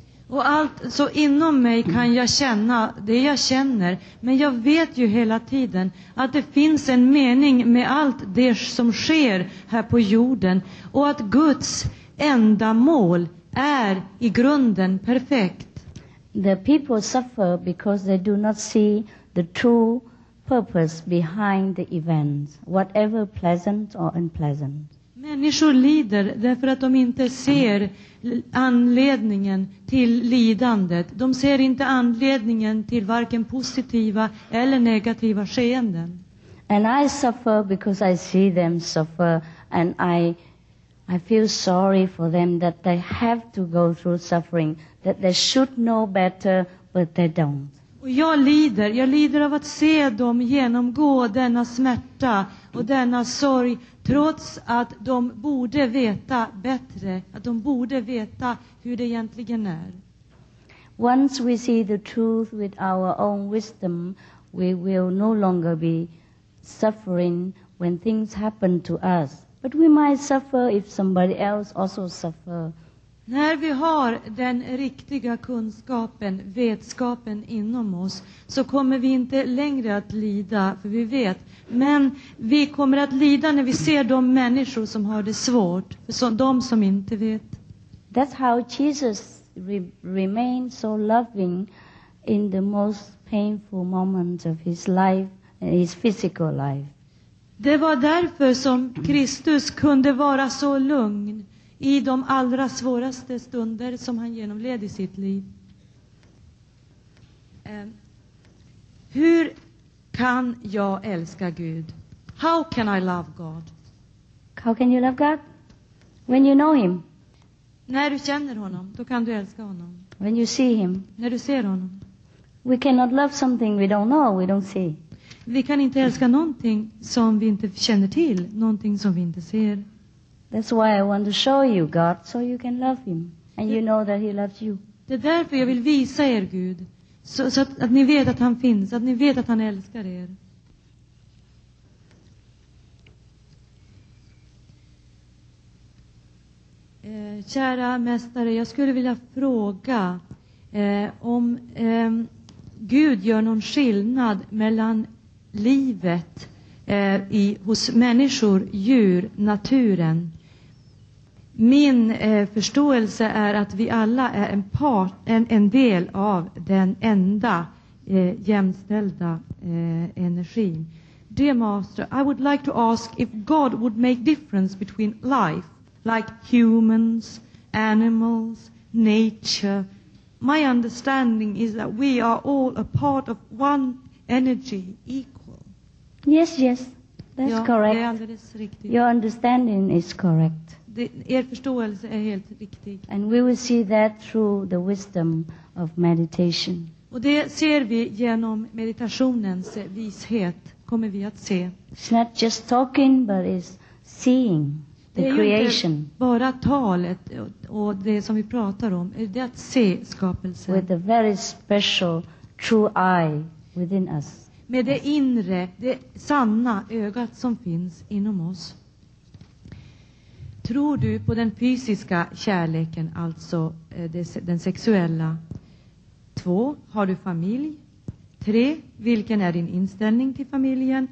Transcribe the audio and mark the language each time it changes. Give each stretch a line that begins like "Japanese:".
Swedish: Och allt så inom mig kan jag känna det jag känner, men jag vet ju hela tiden att det finns en mening med allt det som sker här på jorden, och att Guds enda mål är i grunden perfekt.
English: The people suffer because they do not see the true purpose behind the events, whatever pleasant or unpleasant.
Swedish: Människor lider därför att de inte ser anledningen till lidandet. De ser inte anledningen till varken positiva eller negativa skeenden.
English: And I suffer because I see them suffer, and I feel sorry for them that they have to go through suffering, that they should know better, but they don't.
Swedish: Och jag lider av att se dem genomgå denna smärta och denna sorg, trots att de borde veta bättre, att de borde veta hur det egentligen är.
English: Once we see the truth with our own wisdom, we will no longer be suffering when things happen to us. But we might suffer if somebody else also suffer.
Swedish: När vi har den riktiga kunskapen, vetskapen inom oss, så kommer vi inte längre att lida, för vi vet. Men vi kommer att lida när vi ser de människor som har det svårt, de som inte vet.
English: That's how Jesus remained so loving in the most painful moment of his life, his physical life.
Swedish: Det var därför som Kristus kunde vara så lugn i de allra svåraste stunder som han genomled i sitt liv. Hur kan jag älska Gud?
English: How can I love God? How can you love God? When you know him.
Swedish: När du känner honom, då kan du älska honom.
English: When you see him.
Swedish: När du ser honom.
English: We cannot love something we don't know, we don't see.
Swedish: Vi kan inte älska någonting som vi inte känner till, någonting som vi inte ser.
English: That's why I want to show you God so you can love him and you know that he loves you.
Swedish: Det är därför jag vill visa er Gud, så att ni vet att han finns, att ni vet att han älskar er. Kära mästare, jag skulle vilja fråga om Gud gör någon skillnad mellan livet hos människor, djur, naturen. Min förståelse är att vi alla är en del av den enda jämställda energin.
English: Dear Master, I would like to ask if God would make difference between life like humans, animals, nature. My understanding is that we are all a part of one energy, equal. Yes, yes, that's correct.
Swedish: Det är alldeles riktigt.
English: Your understanding is correct.
Swedish: Er förståelse är helt riktig.
English: And we will see that through the wisdom of meditation.
Swedish: Och det ser vi genom meditationens vishet, kommer vi att se.
English: It's not just talking, but it's seeing the creation.
Swedish: Det är inte bara talet och det som vi pratar om, det är att se skapelsen.
English: With a very special true eye within us.
Swedish: Med det inre, det sanna ögat som finns inom oss. Tror du på den fysiska kärleken, alltså den sexuella? 2. Har du familj? 3. Vilken är din inställning till familjen?